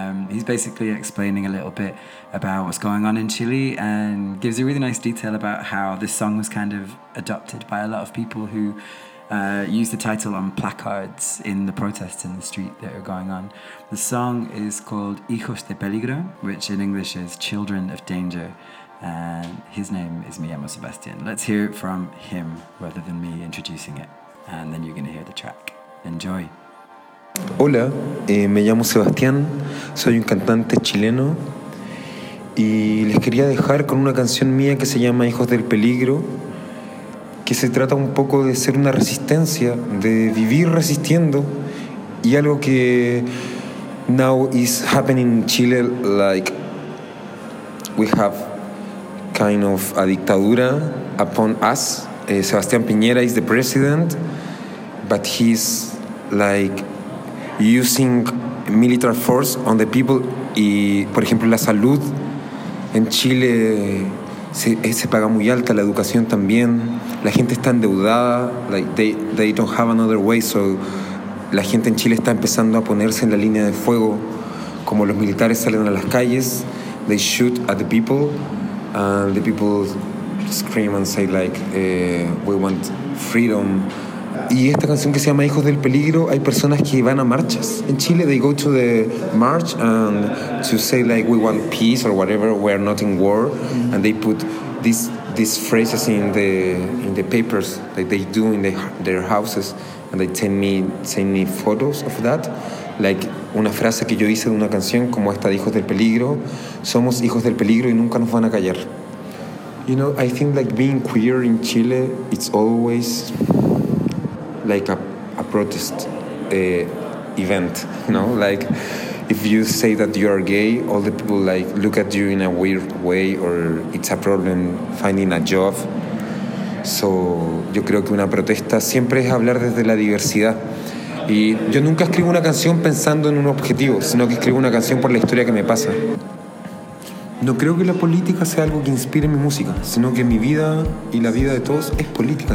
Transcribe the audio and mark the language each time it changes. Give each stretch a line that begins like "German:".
English: He's basically explaining a little bit about what's going on in Chile and gives a really nice detail about how this song was kind of adopted by a lot of people who use the title on placards in the protests in the street that are going on. The song is called Hijos de Peligro, which in English is Children of Danger. And his name is Me Llamo Sebastian. Let's hear it from him rather than me introducing it. And then you're going to hear the track. Enjoy.
Spanish: Hola, me llamo Sebastián, soy un cantante chileno y les quería dejar con una canción mía que se llama Hijos del Peligro, que se trata un poco de ser una resistencia, de vivir resistiendo y algo que
English: now is happening in Chile, like we have kind of a
Spanish: dictadura
English: upon us. Sebastián Piñera is the president, but he's like using military force on the people.
Spanish: Y por ejemplo la salud en Chile se paga muy alta, la educación también, la gente está endeudada,
English: like they don't have another way,
Spanish: so la gente en Chile está empezando a ponerse en la línea de fuego, como los militares salen a las calles,
English: they shoot at the people and the people scream and say like we want freedom.
Spanish: Y esta canción que se llama Hijos del Peligro, hay personas que van a marchas. En Chile,
English: they go to the march and to say like we want peace or whatever, we're not in war. Mm-hmm. And they put this these phrases in the papers that they do in their houses, and they send me photos of that, like
Spanish: una frase que yo hice de una canción como esta de Hijos del Peligro, somos hijos del peligro y nunca nos van a callar.
English: You know, I think like being queer in Chile, it's always like a protest event, you know, like if you say that you are gay, all the people like look at you in a weird way, or it's a problem finding a job.
Spanish: So yo creo que una protesta siempre es hablar desde la diversidad. Y yo nunca escribo una canción pensando en un objetivo, sino que escribo una canción por la historia que me pasa. No creo que la política sea algo que inspire mi música, sino que mi vida y la vida de todos es política.